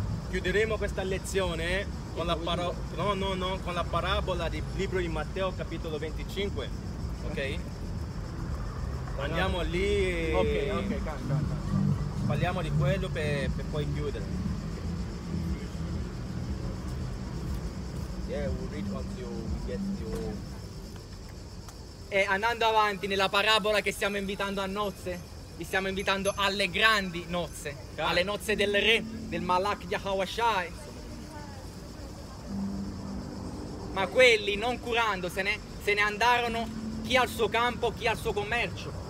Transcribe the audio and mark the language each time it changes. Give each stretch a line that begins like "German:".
Italian: Chiuderemo questa lezione con la con la parabola del libro di Matteo capitolo 25, ok? Andiamo lì e parliamo di quello per poi chiudere.
English: Yeah, we'll read until we get to...
Italian: E andando avanti nella parabola che stiamo invitando a nozze, vi stiamo invitando alle grandi nozze, alle nozze del re, del Malach Yahweh Shai. Ma quelli, non curandosene, se ne andarono chi al suo campo, chi al suo commercio.